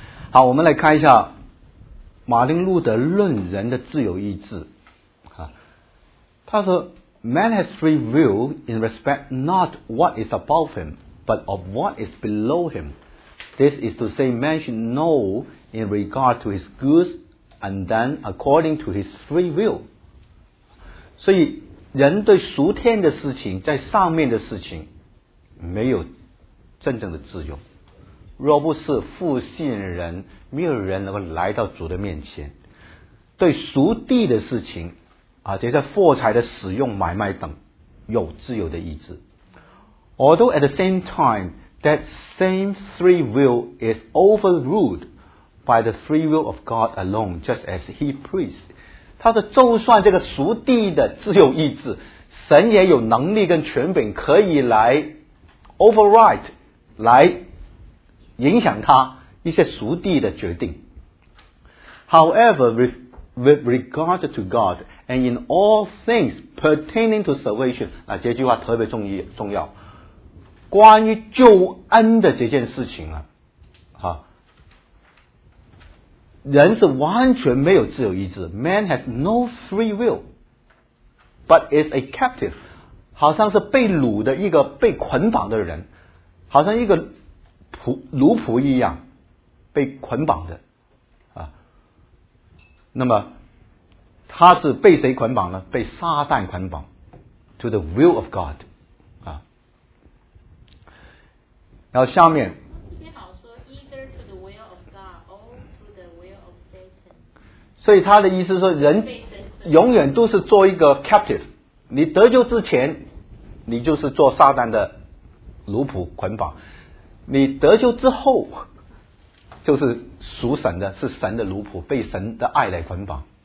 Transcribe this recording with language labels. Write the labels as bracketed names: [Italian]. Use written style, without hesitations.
[Chinese] 好，我们来看一下马丁路德论人的自由意志。他说 [English] Man has free will in respect not what is above him, but of what is below him. This is to say man should know in regard to his goods and then according to his free will. [Chinese] 所以人对属天的事情，在上面的事情没有真正的自由。若不是父信人，没有人能够来到主的面前。对属地的事情啊，这些货财的使用、买卖等，有自由的意志。 [English] Although at the same time, that same free will is overruled by the free will of God alone, just as he pleased. [Chinese] 他说，就算这个属地的自由意志，神也有能力跟权柄可以来 override 来影响他一些属地的决定。 [English] However, with regard to God and in all things pertaining to salvation, [Chinese] 那这句话特别重要。关于救恩的这件事情啊，人是完全没有自由意志。 [English] Man has no free will, but is a captive, [Chinese] 好像是被掳的一个被捆绑的人，好像一个奴仆一样被捆绑的啊。那么他是被谁捆绑呢？被撒旦捆绑 [English] to the will of God [Chinese] 啊。然后下面最好说 [English] either to the will of God or to the will of Satan， [Chinese] 所以他的意思说人永远都是做一个 captive， 你得救之前你就是做撒旦的奴仆捆绑，你得救之后就是属神的，是神的奴仆，被神的爱来捆绑。